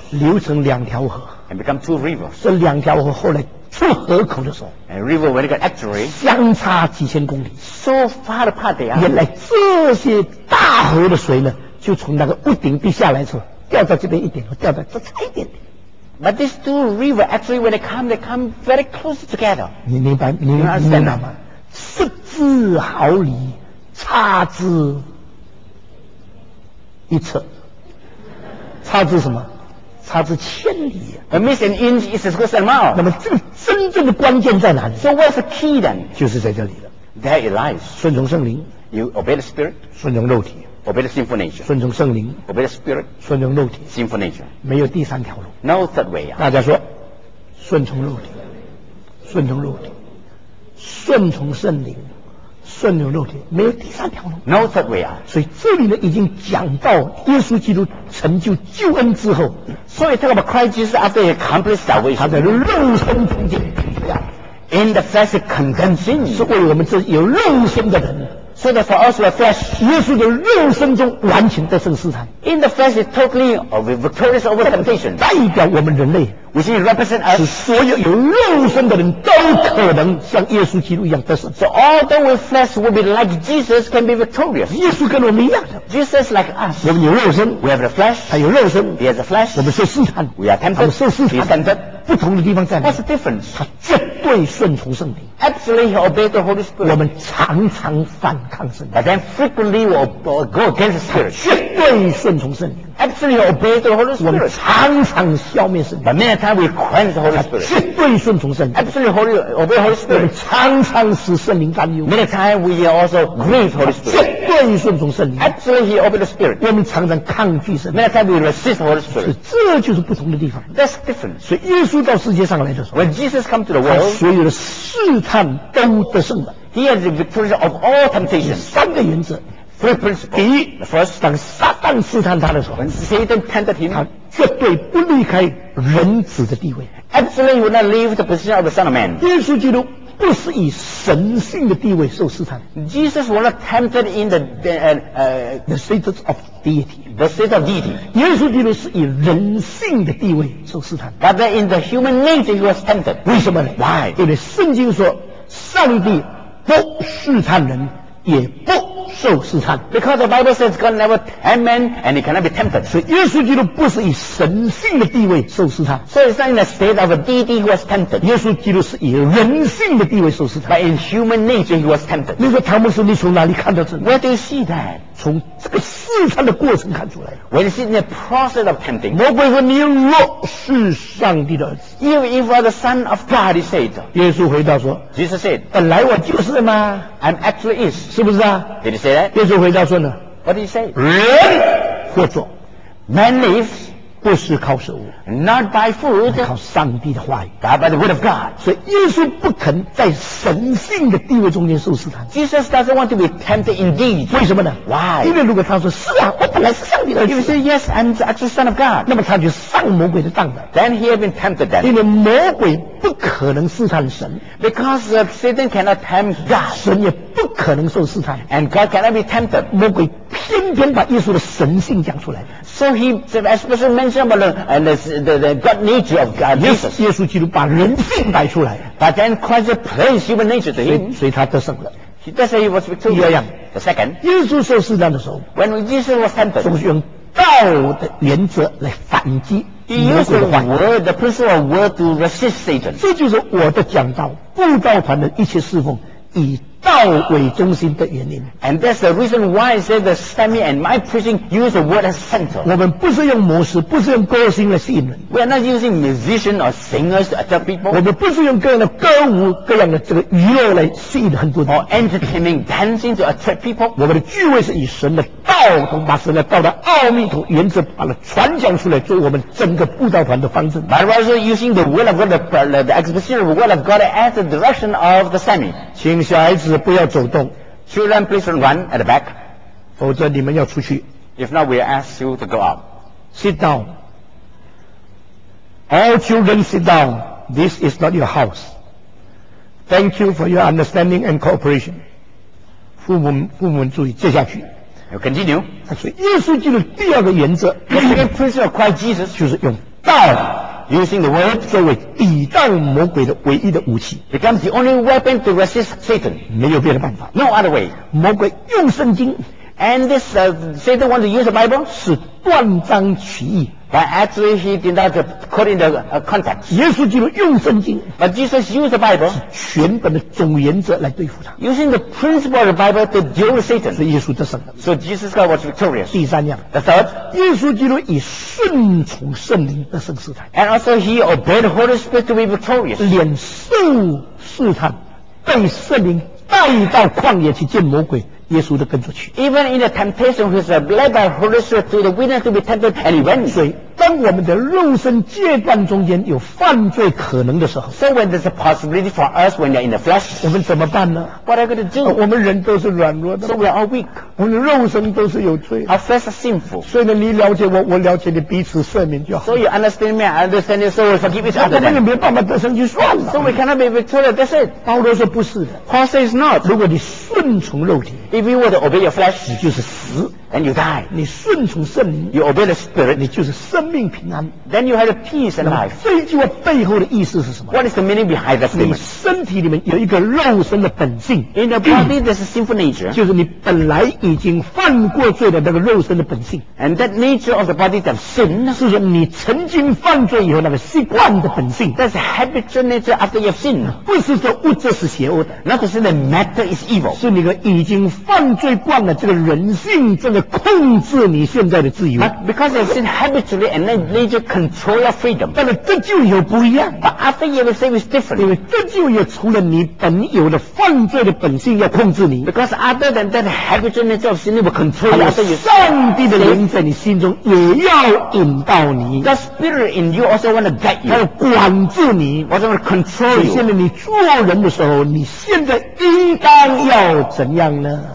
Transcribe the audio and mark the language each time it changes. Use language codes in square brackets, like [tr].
[zh] 流成两条河 [en] ，And become two rivers。 [zh] 这两条河后来出河口的时候 [en] ，And river when it got actually [zh] 相差几千公里 [en] ，So far apart they are。 [zh] 原来这些大河的水呢，就从那个屋顶滴下来之后，掉在这边一点，掉在这差一点点。 [en] But these two rivers actually when they come very close together。 [zh] 你明白？你明白了吗？失之毫厘，差之一尺。差之什么？差之千里。 [en] A miss an inch is as good as a mile。 [zh] 那么这个真正的关键在哪里 [en] ？So where's the key then？ [zh] 就是在这里了。 [en] There it lies。 [zh] 顺从圣灵。 [en] You obey the spirit。 [zh] 顺从肉体。 [en] Obey the sinful nature。 [zh] 顺从圣灵。 [en] Obey the spirit。 [zh] 顺从肉体。 [en] Sinful nature。 [zh] 没有第三条路。 [en] No third way。 [zh] 大家说，顺从肉体，顺从肉体。顺从圣灵，顺从肉体，没有第三条路。 [en] No third way 啊！ [zh] 所以这里呢，已经讲到耶稣基督成就救恩之后， [en] 所以 talk about Christ Jesus after he accomplished salvation， [zh] 他在肉身中间 [en] ，in the flesh condensing， [zh] 是为我们这有肉身的人。 [en] So that for us the flesh， [zh] 耶稣的肉身中完全得胜试探。 [en] In the flesh is totally victorious over temptation， [zh] 代表我们人类。 [en] Which represent us, [zh] 使所有有肉身的人都可能像耶稣基督一样得胜。 [en] So all those with flesh will be like Jesus can be victorious. [zh] 耶稣跟我们一样的。 [en] Jesus like us. [zh] 我们有肉身。 [en] We have the flesh. [zh] 他有肉身。 [en] He has the flesh. [zh] 我们受试探。 [en] We are tempted. [zh] 他们受试探。 [en] He is tempted. [zh] 不同的地方在哪？ [en] What's the difference? [zh] 他绝对顺从圣灵。 [en] Absolutely he obeyed the Holy Spirit. [zh] 我们常常反抗圣灵。 [en] But then frequently we'll go against the Spirit. [zh] 绝对顺从圣灵。 [en] Absolutely obey the Holy Spirit. [zh] 我们常常消灭圣灵。 [en] But many times we quench the Holy Spirit. [zh] 绝对顺从圣灵。 [en] Absolutely obey the Holy Spirit. [zh] 我们常常使圣灵担忧。 [en] Many times we also grieve the Holy Spirit. [zh] 绝对顺从圣灵。 [en] Absolutely obey the Spirit. [zh] 我们常常抗拒圣灵。 [en] Many times we resist the Holy Spirit. [zh] 这就是不同的地方。 [en] That's different. [zh] 所以耶稣到世界上来的时候 [en] ，When Jesus come to the world， [zh] 所有的试探都得胜了。 [en] He has the victory of all temptations. [zh] 三个原则。 [en] Three principles. [zh] 第一 [en] ，First， [zh] 当撒旦试探他的时候 [en] ，When Satan tempted him， [zh] 他绝对不离开人子的地位 [en] ，Absolutely would not leave the position of the Son of Man。 [zh] 耶稣基督不是以神性的地位受试探 [en] ，Jesus was not tempted in the status of deity。 The state of deity。 [zh] 耶稣基督是以人性的地位受试探 [en] ，But that in the human nature he was tempted。 [zh] 为什么呢 [en] ？Why？ [zh] 因为圣经说，上帝不试探人，也不。受试探 [en] ，because the Bible says God never tempt man and he cannot be tempted. [zh] 所以耶稣基督不是以神性的地位受试探 [en] ，so it's not in the state of a deity who was tempted. [zh] 耶稣基督是以人性的地位受试探 [en] ，but in human nature he was tempted. [zh] 你说唐牧师，你从哪里看到这 [en] ？Where do you see that？ [zh] 从这个试探的过程看出来。 [en] When you see the process of tempting, [zh] 魔鬼说你若是上帝的儿子。 [en] You, if you are the son of God, he said. [zh] 耶稣回答说。 [en] Jesus said. [zh] 本来我就是吗 [en] ？I'm actually is. [zh] 是不是啊 [en] ？Did he say that? [zh] 耶稣回答说呢 [en] ？What did he say? [zh] 人或做 [en] ，Man lives. [zh] 不是靠食物 [en] ，Not by food. [zh] 靠上帝的话语 [en] ，But by the word of God. [zh] 所以耶稣不肯在神性的地位中间受试探。 [en] Jesus doesn't want to be tempted indeed. [zh] 为什么呢 [en] ？Why? [zh] 因为如果他说是啊，我本来是上帝的儿子 [en] ，He said yes, I'm actually son of God. [zh] 那么他就上魔鬼的当了。 [en] Then he had been tempted. [zh] 因为魔鬼不可能试探神 [en] ，Because Satan cannot tempt God. [zh] 神也不可能受试探 [en] ，And God cannot be tempted. [zh] 魔鬼偏偏把耶稣的神性讲出来。 [en] So he especially mentioned about the God nature of God, Jesus. [zh] 耶稣基督把人性摆出来。 [en] But then Christ plays human nature to him. [zh] 所以他得胜了。 [en] He does say he was victorious. [zh] 第二样 [en] ，the second. [zh] 耶稣受试探的时候 [en] ，when Jesus was tempted, [zh] 总是用道的原则来反击。 [en] He used the word, the principle of word to resist Satan. [zh] 这就是我的讲道，布道团的一切侍奉以。道为中心的原因 [en] ，and that's the reason why I say the semi and my preaching use the word as center. [zh] 我们不是用模式，不是用歌星来吸引人。 [en] We are not using musicians or singers to attract people. [zh] 我们不是用各样的歌舞、各样的这个娱乐来吸引很多人。 [en] Or entertaining, dancing to attract people. [zh] 我们的聚会是以神的道同把神的道的奥秘同原则把它传讲出来，做我们整个布道团的方针。 [en] But also using the word of God, the exposition of the word of God as the direction of the semi. [zh] 请小孩子。不要走动 [en] Children, please run at the back. [zh] 否则你们要出去 [en] If not, we ask you to go out. Sit down. All children, sit down. This is not your house. Thank you for your understanding and cooperation. [zh] 父母注意接下去 [en] You continue. [zh] 所以耶稣基督第二个原则 [en] The second principle of Christ Jesus [zh] 就是用道 [en] Using the word [zh] 作为抵挡魔鬼的唯一的武器 [en] becomes the only weapon to resist Satan. [zh] 没有别的办法 [en] No other way. [zh] 魔鬼用圣经 [en] and this Satan wants to use the Bible [zh] 是断章取义 [en] but actually he did not put in the context. [zh] 耶稣基督用圣经 [en] but Jesus used the Bible [zh] 是全本的总原则来对付他 [en] using the principle of the Bible to deal with Satan. [zh] 所以耶稣得胜了 [en] so Jesus God was victorious. [zh] 第三样 [en] the third [zh] 耶稣基督以顺从圣灵的圣试探 [en] and also he obeyed the Holy Spirit to be victorious [zh] 脸受试探被圣灵带到旷野去见魔鬼耶稣都跟着去 [en] even in the temptation he was led by Holy Spirit to the wilderness to be tempted and he went [zh] 所以当我们的肉身阶段中间有犯罪可能的时候 [en] so when there's a possibility for us when we're in the flesh [zh] 我们怎么办呢 [en] what are we going to do [zh] 我们人都是软弱的 [en] so we're all weak [zh] 我们的肉身都是有罪 [en] our flesh are sinful [zh] 所以呢你了解我我了解你彼此赦免就好 [en] so you understand me I understand you so we forgive each other [zh] 我们也没有办法得胜就算了 [en] so we cannot be victorious that's it [zh] 保罗说不是 [en] Paul says not [zh] 如果你顺从肉体 [en] If you were to obey your flesh, [zh] 你就是死 [en] then you die. [zh] 你顺从圣灵 [en] you obey the spirit, [zh] 你就是生命平安 [en] then you have peace and life. [zh] 这句话背后的意思是什么 [en] What is the meaning behind that statement? [zh] 你身体里面有一个肉身的本性 [en] In the body, there's a sinful nature. [zh] 就是你本来已经犯过罪的那个肉身的本性 [en] And that nature of the body that sin, [zh] 是说你曾经犯罪以后那个习惯的本性 [en] That's a habitual nature after you've sinned. [zh] 不是说物质是邪恶的 [en] Not to say the matter is evil. [zh] 是你已经犯罪惯了这个人性正在控制你现在的自由 [en] But because you've sinned habitually and then nature control your freedom [zh] 但是得救以后不一样 [en] But after you have saved is different [zh] 因为得救以后除了你本有的犯罪的本性要控制你 [en] Because other than that habitual nature of sin will control you [zh] 还有上帝的灵在你心中也要引导你 [en] The spirit in you also want to guide you [zh] 要管制你 [en] also want to control you [zh] 所以现在你做人的时候你现在应当要怎样呢